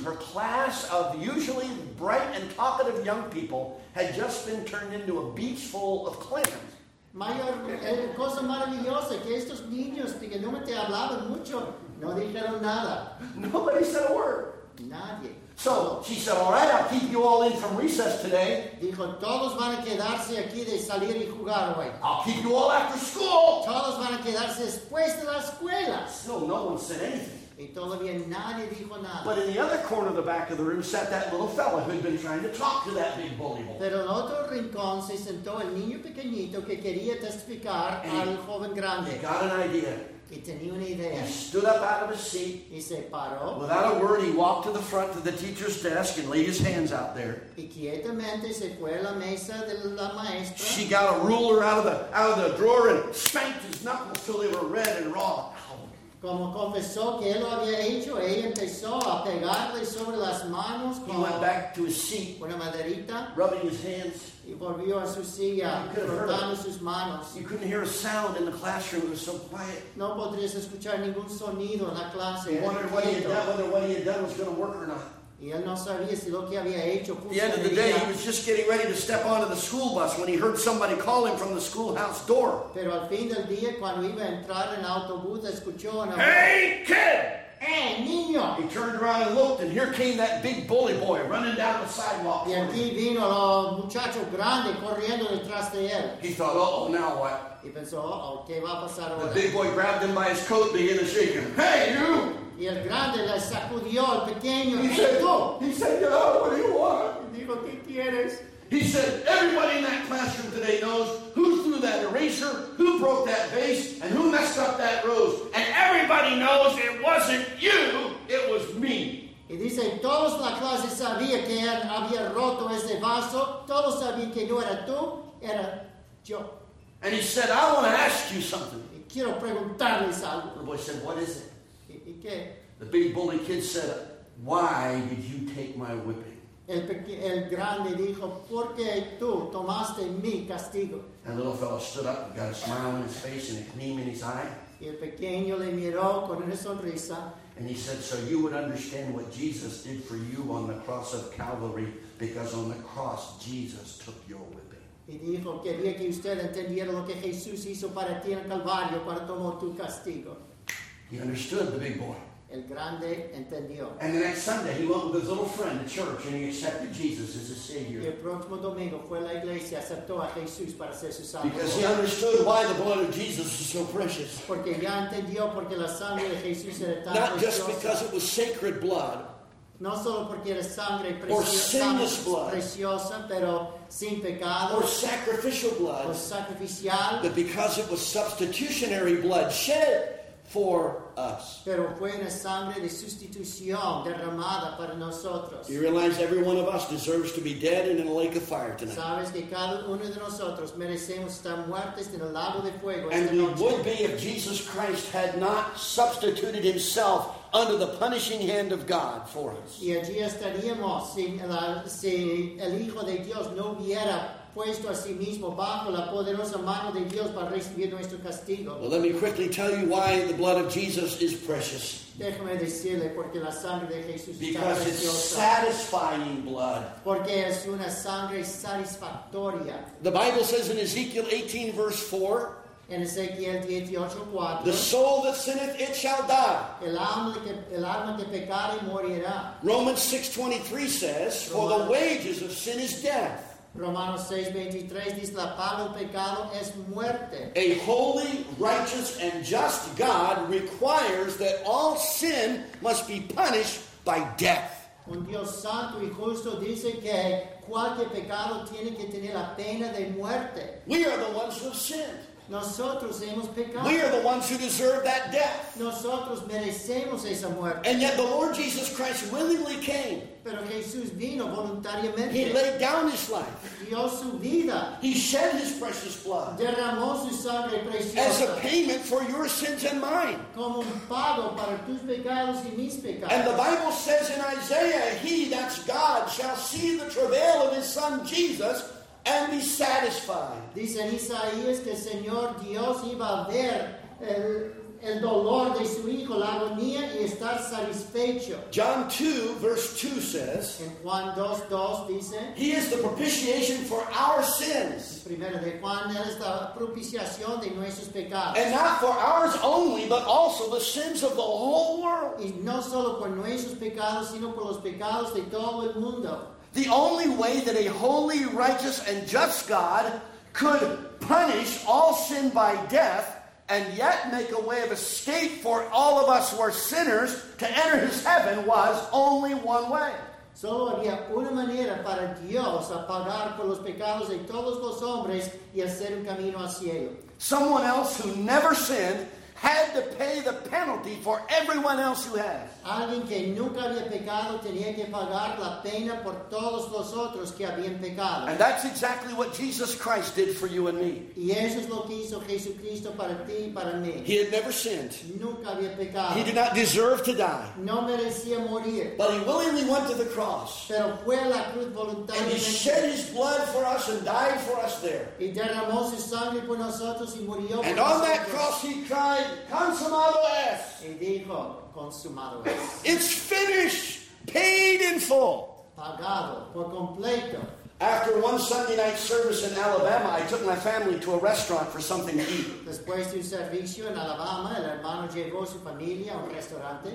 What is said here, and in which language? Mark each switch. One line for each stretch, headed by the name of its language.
English: Her class of usually bright and talkative young people had just been turned into a beach full of clams.
Spanish: Mayor cosa maravillosa que estos niños que no me hablaban mucho no dijeron nada.
English: Nobody said a word.
Spanish: Nadie.
English: So she said, "All right, I'll keep you all in from recess today."
Spanish: Dijo, todos van a quedarse aquí de salir y jugar hoy.
English: I'll keep you all after school.
Spanish: Todos van a quedarse después de la escuela.
English: So no one said anything.
Spanish: Y todavía nadie dijo nada.
English: But in the other corner of the back of the room sat that little fella who'd been trying to talk to that big bully.
Spanish: Pero en otro rincón se sentó el niño pequeñito que quería testificar al joven grande.
English: He got an idea.
Spanish: Y tenía una idea.
English: He stood up out of his seat.
Spanish: Y se paró.
English: Without a word, he walked to the front of the teacher's desk and laid his hands out there.
Spanish: Y quietamente se fue a la mesa de la maestra.
English: She got a ruler out of the drawer and spanked his knuckles till they were red and raw.
Spanish: Como confesó que él lo había hecho, ella empezó a pegarle sobre las manos.
English: He went back to his seat,
Spanish: una maderita,
English: rubbing his hands.
Spanish: Y volvió a su silla, frotando sus manos.
English: You couldn't hear a sound in the classroom. It was so quiet.
Spanish: No podrías escuchar ningún sonido en la clase.
English: He wondered what he had done was going to work or not.
Spanish: Y él no sabía si lo que había hecho.
English: At the end of the day, he was just getting ready to step onto the school bus when he heard somebody call him from the schoolhouse door.
Spanish: Pero al fin del día, cuando iba a entrar en el autobús, escuchó una voz.
English: Hey, kid!
Spanish: Hey, niño!
English: He turned around and looked, and here came that big bully boy running down the sidewalk.
Spanish: Y aquí vino el muchacho grande corriendo detrás de él.
English: He thought, uh-oh, now what?
Spanish: Y pensó, uh-oh, ¿qué va a pasar ahora?
English: The big boy grabbed him by his coat and began to shake him. Hey, you!
Spanish: Y el grande le sacudió al pequeño.
English: He said, get out, what do you want?
Spanish: Dijo, ¿qué quieres?
English: He said, everybody in that classroom today knows who threw that eraser, who broke that vase, and who messed up that rose. And everybody knows it wasn't you, it was me.
Spanish: Y dice, todos la clase sabía que él había roto ese vaso. Todos sabían que no era tú, era yo.
English: And he said, I want to ask you something.
Spanish: Y quiero preguntarles algo.
English: The boy said, what is it?
Spanish: ¿Qué?
English: The big bully kid said, why did you take my whipping?
Spanish: El grande dijo, ¿por qué tú tomaste mi castigo?
English: And the little fellow stood up and got a smile on his face and a gleam in his eye.
Spanish: Y el pequeño le miró con una sonrisa.
English: And he said, so you would understand what Jesus did for you on the cross of Calvary, because on the cross Jesus took your whipping.
Spanish: Y dijo, quería que usted entendiera lo que Jesús hizo para ti en el Calvario, para tomar tu castigo.
English: He understood, the big boy.
Spanish: El grande entendió.
English: And the next Sunday, he went with his little friend to church, and he accepted Jesus as his Savior.
Spanish: Y el próximo domingo fue a la iglesia, aceptó a Jesús para ser su Salvador.
English: Because he understood why the blood of Jesus was so precious.
Spanish: Porque ya entendió porque la sangre de Jesús era tan preciosa.
English: Not just because it was sacred blood.
Spanish: No solo porque era sangre preciosa, pero sin pecado.
English: Or sacrificial blood.
Spanish: O sacrificial.
English: But because it was substitutionary blood shed for us.
Spanish: Pero fue una sangre de sustitución derramada para nosotros.
English: You realize every one of us deserves to be dead and in a lake of fire tonight.
Spanish: Sabes que cada uno de nosotros merecemos estar muertos en el lago de fuego.
English: And we would be if Jesus Christ had not substituted himself under the punishing hand of God for us.
Spanish: Y allí estaríamos si el Hijo de Dios no hubiera puesto a sí mismo bajo la poderosa mano de Dios para recibir nuestro castigo.
English: Well, let me quickly tell you why the blood of Jesus is precious.
Spanish: Déjame decirle porque la sangre de Jesús
English: because
Spanish: está preciosa.
English: Because it's satisfying blood.
Spanish: Porque es una sangre satisfactoria.
English: The Bible says in Ezekiel 18, verse 4,
Spanish: En Ezequiel 18:4.
English: The soul that sinneth, it shall die.
Spanish: El alma que pecare morirá.
English: Romans 6:23 says, for the wages of sin is death.
Spanish: Romanos 6:23 dice, la paga del pecado es muerte.
English: A holy, righteous, and just God requires that all sin must be punished by death.
Spanish: Un Dios santo y justo dice que cualquier pecado tiene que tener la pena de muerte.
English: We are the ones who have sinned.
Spanish: Nosotros hemos pecado.
English: We are the ones who deserve that death.
Spanish: Nosotros merecemos esa muerte.
English: And yet the Lord Jesus Christ willingly came.
Spanish: Pero Jesús vino voluntariamente.
English: He laid down his life.
Spanish: Dio su vida.
English: He shed his precious blood.
Spanish: Derramó su sangre preciosa.
English: As a payment for your sins and mine.
Spanish: Como un pago para tus pecados y mis pecados.
English: And the Bible says in Isaiah, he, that's God, shall see the travail of his son Jesus and be satisfied.
Spanish: Dice en Isaías que el Señor Dios iba a ver el dolor de su hijo, la agonía, y estar satisfecho.
English: John 2, verse 2 says,
Spanish: en Juan 2, 2 dice,
English: he is the propitiation for our sins.
Spanish: Primero de Juan, él es la propiciación de nuestros pecados.
English: And not for ours only, but also the sins of the whole world.
Spanish: Y no solo por nuestros pecados, sino por los pecados de todo el mundo.
English: The only way that a holy, righteous, and just God could punish all sin by death and yet make a way of escape for all of us who are sinners to enter his heaven was only one way.
Spanish: Solo había una manera para Dios a pagar por los pecados de todos los hombres y hacer un camino al cielo.
English: Someone else who never sinned had to pay the penalty for everyone else who has.
Spanish: Alguien que nunca había pecado tenía que pagar la pena por todos los otros que habían pecado.
English: And that's exactly what Jesus Christ did for you and me.
Spanish: Y eso es lo que hizo Jesucristo para ti y para mí.
English: He had never sinned.
Spanish: Nunca había pecado.
English: He did not deserve to die.
Spanish: No merecía morir.
English: But he willingly went to the cross.
Spanish: Pero fue a la cruz voluntariamente.
English: And he shed his blood for us and died for us there.
Spanish: Y derramó su sangre por nosotros y murió por nosotros.
English: And on that cross he cried,
Spanish: consumado es. Y dijo, consumado es.
English: It's finished, paid in full.
Spanish: Pagado por completo.
English: After one Sunday night service in Alabama, I took my family to a restaurant for something to eat.
Spanish: Después de un servicio en Alabama, el hermano llevó su familia a un restaurante.